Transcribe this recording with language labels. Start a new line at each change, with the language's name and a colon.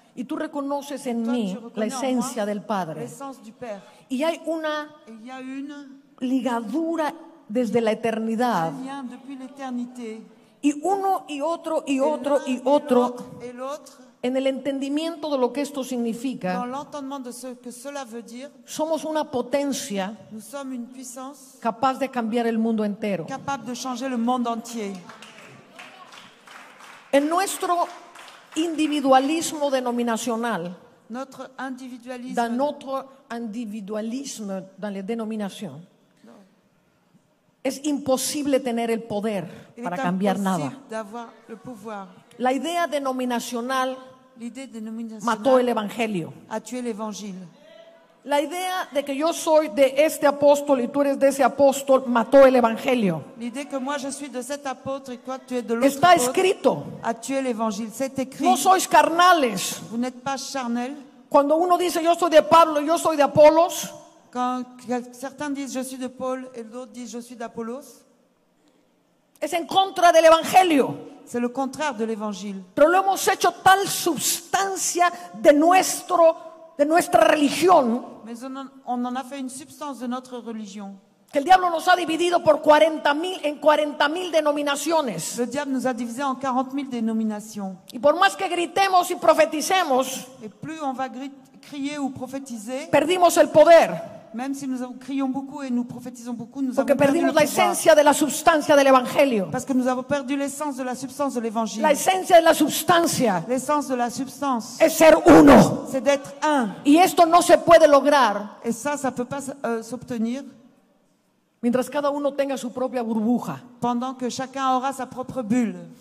Spanish: y tú reconoces en mí la esencia del Padre.
French: L'essence du père.
Spanish: Y hay una ligadura desde la eternidad.
French: Lien depuis l'éternité.
Spanish: Y uno y otro y otro y otro.
French: Et l'autre,
Spanish: en el entendimiento de lo que esto significa,
French: dans l'entendement de ce que cela veut dire,
Spanish: somos una potencia,
French: nous sommes une puissance,
Spanish: capaz de cambiar el mundo entero,
French: capable de changer le monde entier.
Spanish: En nuestro individualismo denominacional,
French: notre individualisme, dans notre individualisme dans les dénominations,
Spanish: es imposible tener el poder para cambiar nada.
French: D'avoir le pouvoir.
Spanish: La idea denominacional,
French: l'idée denominacional
Spanish: mató el evangelio.
French: A tué l'évangile.
Spanish: La idea de que yo soy de este apóstol y tú eres de ese apóstol mató el evangelio.
French: L'idée que moi je suis de cet apôtre et toi tu es de l'autre.
Spanish: Está escrito.
French: A tué l'évangile. C'est écrit.
Spanish: No sois carnales.
French: Vous n'êtes pas charnel.
Spanish: Cuando uno dice yo soy de Pablo, yo soy de Apolos.
French: Quand certains disent je suis de Paul et d'autres disent je suis d'Apollos.
Spanish: Es en contra del evangelio.
French: C'est le contraire de l'évangile.
Spanish: Pero lo hemos hecho tal substancia de nuestro de nuestra religión.
French: Mais on en a fait une substance de notre religion.
Spanish: Que el diablo nos ha dividido por 40,000 en 40,000 denominaciones.
French: Le diable nous a divisé en 40,000 dénominations.
Spanish: Y por más que gritemos y profeticemos,
French: et plus on va crier ou prophétiser,
Spanish: perdimos el poder.
French: Même si nous crions beaucoup et nous prophétisons beaucoup, nous
Spanish: porque perdimos la esencia de la sustancia del evangelio.
French: Parce que nous avons perdu l'essence de la substance de l'évangile.
Spanish: La esencia de la sustancia.
French: L'essence de la substance.
Spanish: Es ser uno.
French: C'est d'être un.
Spanish: Y esto no se puede lograr.
French: Et ça peut pas s'obtenir.
Spanish: Mientras cada uno tenga su propia burbuja.
French: Pendant que chacun aura sa propre bulle.